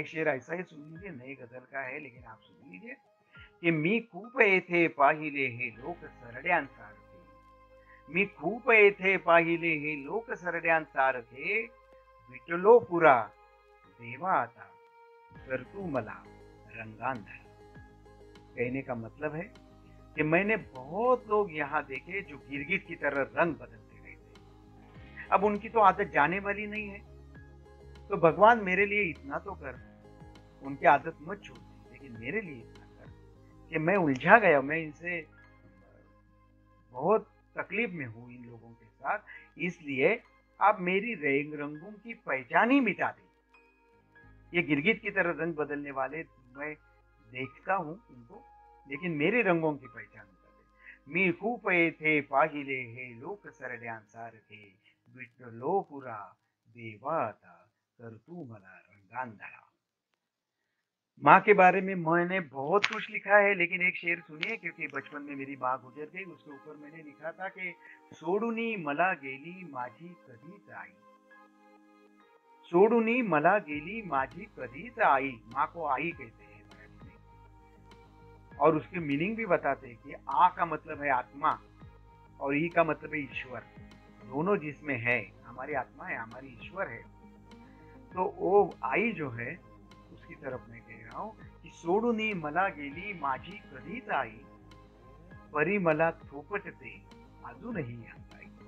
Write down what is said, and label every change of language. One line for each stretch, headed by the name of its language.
Hindi: एक शेर ऐसा ही सुन लीजिए, नए गजल का है लेकिन आप सुन लीजिए, कि
Marathi: मी खूप येथे पाहिले हे लोक सरड्यांसारखे, मी खूप येथे पाहिले हे लोक सरड्यांसारखे, विटलो पुरा देवा आता कर तू मला रंगांधळा।
Hindi: कहने का मतलब है कि मैंने बहुत लोग यहां देखे जो गिरगिट की तरह रंग बदलते रहे थे। अब उनकी तो आदत जाने वाली नहीं है, तो भगवान मेरे लिए इतना तो कर, उनकी आदत मत छोड़, लेकिन मेरे लिए इतना कर कि मैं उलझा गया, मैं इनसे बहुत तकलीफ में हूं इन लोगों के साथ, इसलिए आप मेरी रंग रंगों की पहचान ही मिटा दें। ये गिरगिट की तरह रंग बदलने वाले मैं देखता हूं उनको, लेकिन मेरे रंगों की पहचान मिटा दें।
Marathi: मी कूपे थे पाहिले हे लोक सरड्या सार थे विठलो पुरा देवाता कर तू मला रंगांधळा।
Hindi: माँ के बारे में मैंने बहुत कुछ लिखा है, लेकिन एक शेर सुनिए, क्योंकि बचपन में मेरी माँ गुजर गई, उसके ऊपर मैंने लिखा था कि
Marathi: सोडुनी मला गेली माझी कधीच आई, सोडुनी मला गेली माझी कधीच आई,
Hindi: माँ को आई कहते हैं मराठी में, और उसके मीनिंग भी बताते हैं कि आ का मतलब है आत्मा और ई का मतलब है ईश्वर, दोनों जिसमें है हमारी आत्मा है हमारी ईश्वर है, तो वो आई जो है उसकी तरफ मैं कह रहा हूं कि
Marathi: सोडुनी मला गेली माझी कधीच आई परी मला थोपटते अजूनही आई।